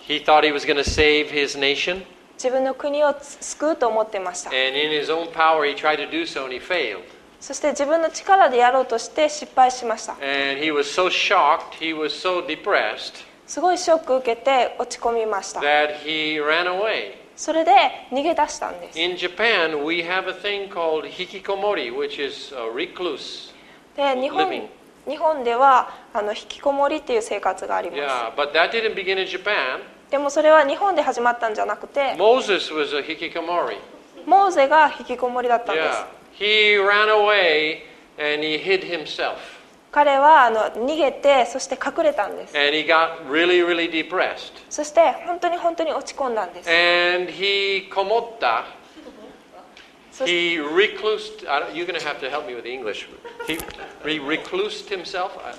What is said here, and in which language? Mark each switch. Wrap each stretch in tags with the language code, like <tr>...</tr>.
<en>He thought he was going to save his nation.</en> <ja>自分の国を救うと思ってました。</ja> <en>And in his own power, he tried to do so, and he failed.</en> <ja>そして自分の力でやろうとして失敗しました。</ja> <en>And he was so shocked, he was so depressed.</en> <ja>すごいショック受けて落ち込みました。</ja> <en>That he ran away.</en> <ja>それで逃げ出したんです。</ja> <en>In Japan, we have a thing called hikikomori, which is a recluse living.</en> <ja>日本では引きこもりっていう生活があります。</ja> <en>Yeah, but that didn't begin in Japan.</en> <ja>でもそれは日本で始まったんじゃなくて、</ja> <en>Moses was a hikikomori.</en> <ja>モーゼが引きこもりだったんです。</ja> <en>Yeah. He ran away and he hid himself.</en> <ja>彼は逃げて、そして隠れたんです。</ja> <en>And he got really, really depressed.</en> <ja>そして本当に本当に落ち込んだんです。</ja> <en>And he</en> <ja>komotta.</ja> <en>He reclused. You're going to have to help me with the English. He reclused himself.</en>